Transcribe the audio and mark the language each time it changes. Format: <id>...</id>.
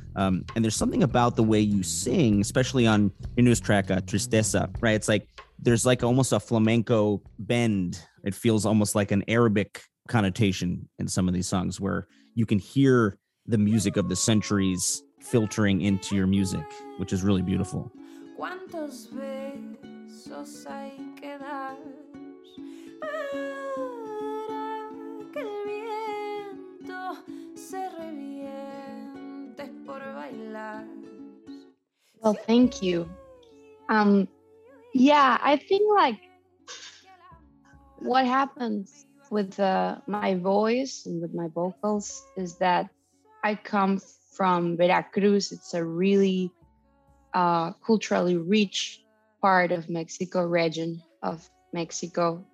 <en>And there's something about the way you sing, especially on your newest track, Tristeza, right? It's like there's like almost a flamenco bend. It feels almost like an Arabic connotation in some of these songs where you can hear the music of the centuries filtering into your music, which is really beautiful.</en> <es>¿Cuántos besos hay que dar para que el viento se reviente por bailar?</es> <en>Well, thank you. I think like what happens with my voice and with my vocals is that I come from Veracruz. It's a really culturally rich part of Mexico, region of Mexico.</en>